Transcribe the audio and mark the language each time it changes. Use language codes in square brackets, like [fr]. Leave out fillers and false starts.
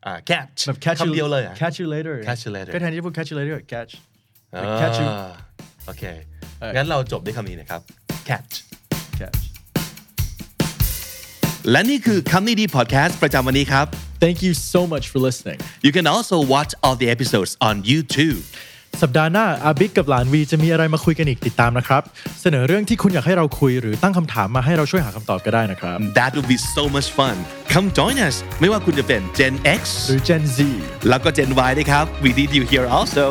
[en] catch [th] แบบ catch คำเดียวเลยอ่ะ [en] catch you later [th] ก็แทนที่พูด [en] catch you later catch catch you [th] โอเคงั้นเราจบด้วยคำนี้นะครับ catch และนี่คือคำนี้ดีพอดแคสต์ประจำวันนี้ครับ [en] Thank you so much for listening. You can also watch all the episodes on YouTube. [th] สัปดาห์หน้าอาบิ๊กกับหลานวีจะมีอะไรมาคุยกันอีกติดตามนะครับเสนอเรื่องที่คุณอยากให้เราคุยหรือตั้งคำถามมาให้เราช่วยหาคำตอบก็ได้นะครับ [en] That would be so much fun. Come join us. [th] ไม่ว่าคุณจะเป็น [en] Gen X [th] หรือ Gen Z แล้วก็ Gen Y นะครับ [en] We need you here also.